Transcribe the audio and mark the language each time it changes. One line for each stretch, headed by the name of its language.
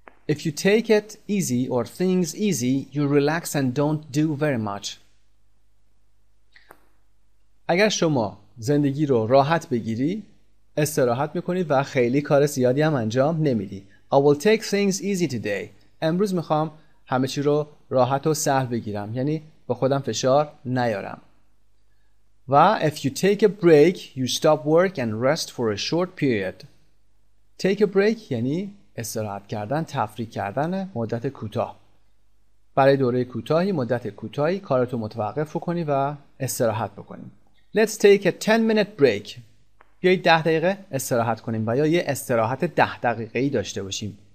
English: If you take it easy or things easy, you relax and don't do very much.
Persian: اگر شما زندگی رو راحت بگیری، استراحت میکنی و خیلی کار زیادی هم انجام نمیدی.
English: I will take things easy today.
Persian: امروز میخوام همه چی رو راحت و سهل بگیرم، یعنی به خودم فشار نیارم.
English: و if you take a break, you stop work and rest for a short period.
Persian: Take a break یعنی استراحت کردن، تفریح کردن مدت کوتاه. برای دوره کوتاهی، مدت کوتاهی کارتو متوقف کنی و استراحت بکنی.
English: Let's take a 10 minute break.
Persian: بیایید 10 دقیقه استراحت کنیم و یا یه استراحت 10 دقیقه‌ای داشته باشیم.